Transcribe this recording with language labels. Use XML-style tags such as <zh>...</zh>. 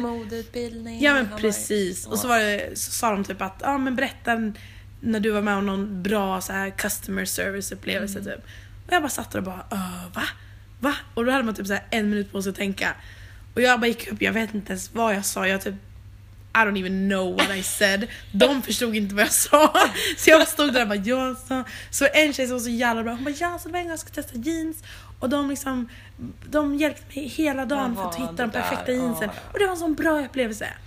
<sv>modeutbildning. Ja, men precis. Och så var det, så sa de typ att ja, men berätta en, när du var med om någon bra så här customer service upplevelse typ. Och jag bara satt där och bara va? Va? Och då hade man typ så här en minut på sig att tänka. Och jag bara gick upp, jag vet inte ens vad jag sa. Jag typ</sv> <en>I don't even know what I said.</en> <sv>De förstod inte vad jag sa. Så jag stod där och bara ja, så en tjej som var så jävla bra. Hon bara ja, så det var en gång jag skulle testa jeans. Och de liksom, de hjälpte mig hela dagen för att hitta de perfekta jeansen. Och det var en sån bra upplevelse.</sv>